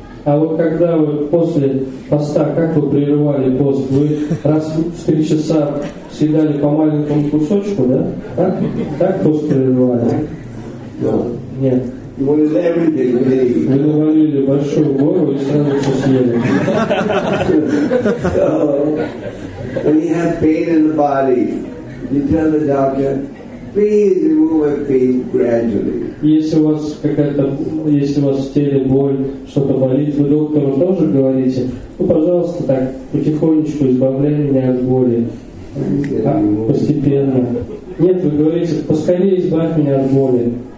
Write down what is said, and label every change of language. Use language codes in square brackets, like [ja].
[ru] А вот когда вы после поста, как вы прерывали пост? Вы раз в 3 часа съедали по маленькому кусочку, да? Так пост прерывали? Нет. [en] Everything, [ru] вы навалили большую гору и сразу все съели. [en] So, when you have pain in the body, you tell the doctor, please remove the pain gradually. [ru] Если у вас какая-то, если у вас в теле боль, что-то болит, вы доктору тоже говорите, ну, пожалуйста, так, потихонечку избавляй меня от боли. Постепенно. Нет, вы говорите, поскорее избавь меня от боли.